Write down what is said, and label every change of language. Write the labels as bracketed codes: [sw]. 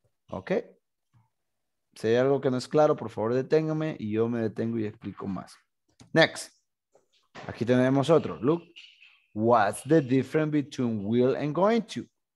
[en] Okay. [es] Si hay algo que no es claro, por favor, deténgame y yo me detengo y explico más. [en] Next. [es] Aquí tenemos otro. [en] Look. What's the difference between will and going to?